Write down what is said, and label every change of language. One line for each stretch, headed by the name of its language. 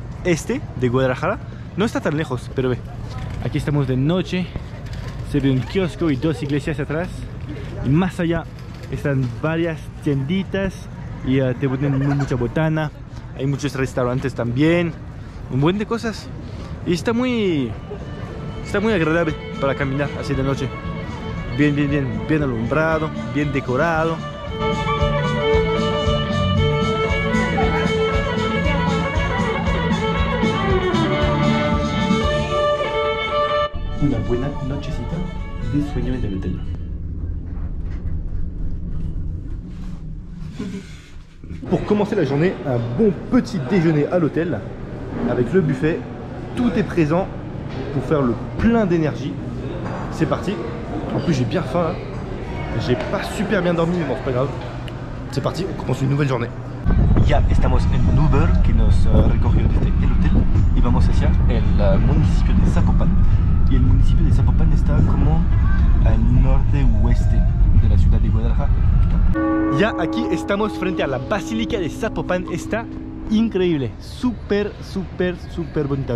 Spanish: Este de Guadalajara no está tan lejos, pero ve, aquí estamos de noche, se ve un kiosco y dos iglesias atrás, y más allá están varias tienditas y te venden mucha botana, hay muchos restaurantes también, un buen de cosas, y está muy agradable para caminar así de noche, bien alumbrado, bien decorado. Una buena nochecita de sueño en el hotel.
French: Pour commencer la journée, un bon petit déjeuner à l'hôtel avec le buffet. Tout est présent pour faire le plein d'énergie. C'est parti. En plus, j'ai bien faim. Hein. J'ai pas super bien dormi, mais bon, c'est pas grave. C'est parti, on commence une nouvelle journée.
Spanish: Ya estamos en un Uber que nos recorrió desde el hotel y vamos hacia el municipio de Zapopan. Y el municipio de Zapopan está como al norte-oeste de la ciudad de Guadalajara. Ya aquí estamos frente a la Basílica de Zapopan. Está increíble, súper, súper, súper bonita.